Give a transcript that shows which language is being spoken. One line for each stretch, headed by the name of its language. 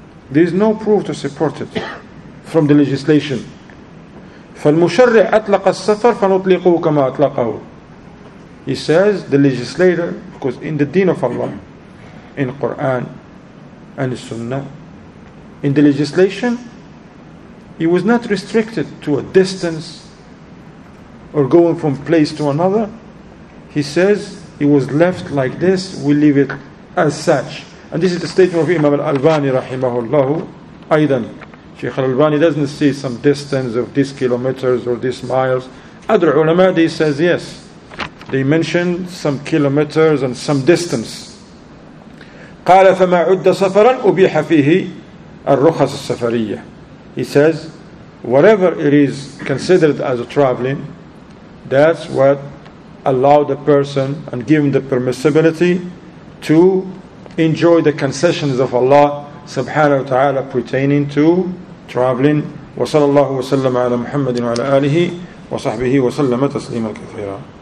English: There is no proof to support it from the legislation.
Arabic: فالمشرع أطلق السفر فنطلقه كما أطلقه.
English: He says, the legislator, because in the deen of Allah, in Quran and Sunnah, in the legislation, he was not restricted to a distance or going from place to another. He says, it was left like this, we leave it as such. And this is the statement of Imam Al-Albani, rahimahullahu, aydan. Sheikh Al-Albani doesn't see some distance of these kilometers or these miles. Other ulama, they says yes. They mentioned some kilometers and some distance.
Arabic: قال فما عد سفرا أبيح فيه الرخص السفرية.
English: He says, whatever it is considered as a traveling, that's what allowed the person and give him the permissibility to enjoy the concessions of Allah subhanahu wa ta'ala pertaining to traveling.
Arabic: وصلى الله وسلم على محمد وعلى آله وصحبه وسلم تسليما كثيرا.